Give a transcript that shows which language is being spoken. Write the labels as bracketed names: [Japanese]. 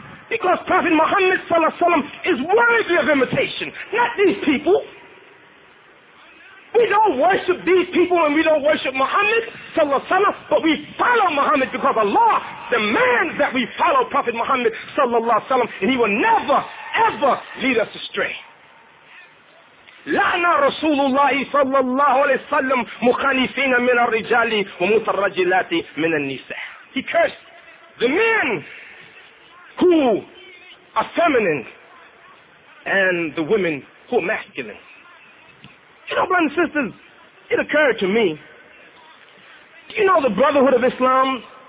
[English] Because Prophet Muhammad sallallahu alaihi wasallam is worthy of imitation, not these people. We don't worship these people and we don't worship Muhammad sallallahu alaihi wasallam, but we follow Muhammad because Allah demands that we follow Prophet Muhammad sallallahu alaihi wasallam, and he will never, ever lead us astray. [Arabic] لعن رسول الله صلى الله عليه وسلم مخالفين من الرجال ومترجلات من النساء. [English] He cursed the men who are feminine and the women who are masculine. You know, brothers and sisters, it occurred to me, do you know the brotherhood of Islam?